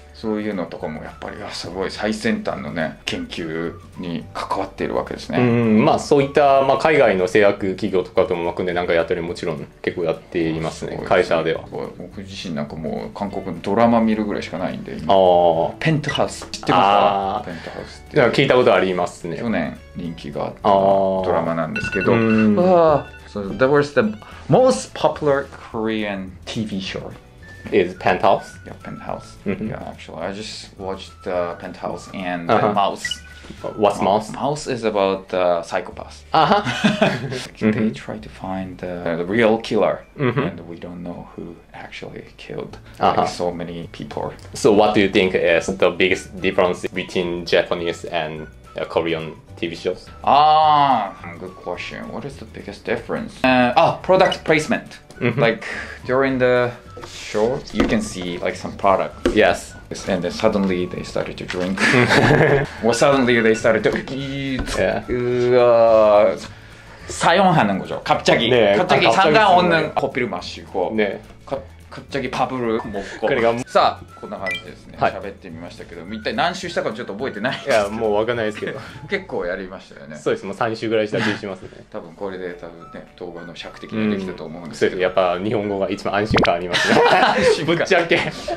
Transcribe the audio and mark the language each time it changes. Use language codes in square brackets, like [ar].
[ja] そういうのとかもやっぱりすごい最先端のね研究に関わってるわけですねまあそういった海外の製薬企業とかとも含んで何かやったりもちろん結構やっていますね会社では僕自身なんかもう韓国のドラマ見るぐらいしかないんで今ペントハウスああペントハウスって聞いたことありますね去年人気があったドラマなんですけど [en] So that was the most popular Korean TV show Is Penthouse? Yeah, Penthouse. Mm-hmm. Yeah, actually, I just watched the Penthouse and the Mouse. What's Mouse? Mouse is about the psychopaths. Uh-huh. They try to find the real killer, and we don't know who actually killed so many people. So what do you think is the biggest difference between Japanese and Korean TV shows? Good question. What is the biggest difference? Product placement. Like during the show, you can see like some product. Yes. And then suddenly they started to drink. Or suddenly they started to eat. [ko] Yeah. 사용하는 거죠. 갑자기. 네, 갑자기 상관 없는 커피를 마시고. 네. 갑자기 밥을 먹고. 그러니까 [ja] さあ, こんな感じですね。喋ってみましたけど、一体何週したかちょっと覚えてないです。いや、もう分かんないですけど。結構やりましたよね。そうです。もう3週ぐらいした気がしますね。多分これで多分ね、動画の尺的にできたと思うんですけど。そうです。やっぱ日本語が一番安心感ありますね。ぶっちゃけ。